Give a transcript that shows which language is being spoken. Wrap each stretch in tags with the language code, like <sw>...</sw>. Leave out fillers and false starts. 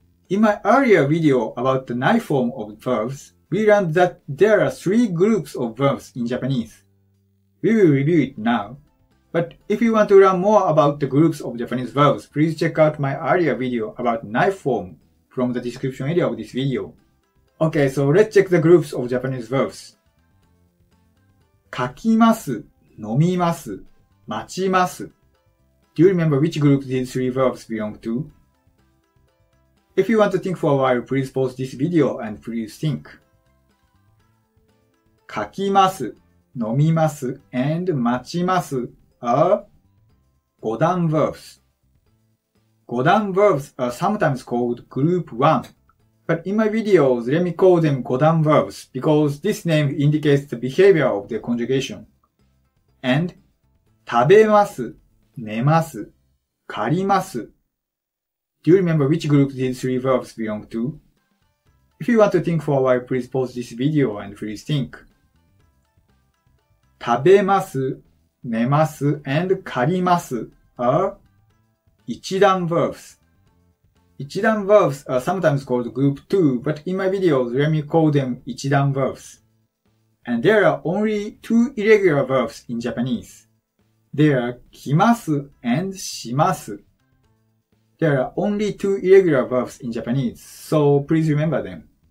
<en>In my earlier video about the nai form of verbs, we learned that there are three groups of verbs in Japanese. We will review it now. But if you want to learn more about the groups of Japanese verbs, please check out my earlier video about nai form from the description area of this video. Okay, so let's check the groups of Japanese verbs.</en> <ja>書きます、飲みます、待ちます。</ja> <en>Do you remember which group these three verbs belong to? If you want to think for a while, please pause this video and please think. 書きます、飲みます、and 待ちます are 五段 verbs. 五段 verbs are sometimes called group 1. But in my videos, let me call them 五段 verbs because this name indicates the behavior of their conjugation. And 食べます、寝ます、借ります、Do you remember which group these three verbs belong to? If you want to think for a while, please pause this video and please think. 食べます、寝ます、and 借ります are 一段 verbs. 一段 verbs are sometimes called group 2, but in my videos, let me call them 一段 verbs. And there are only two irregular verbs in Japanese. They are 来ます and します。 There are only two irregular verbs in Japanese, so please remember them.</en>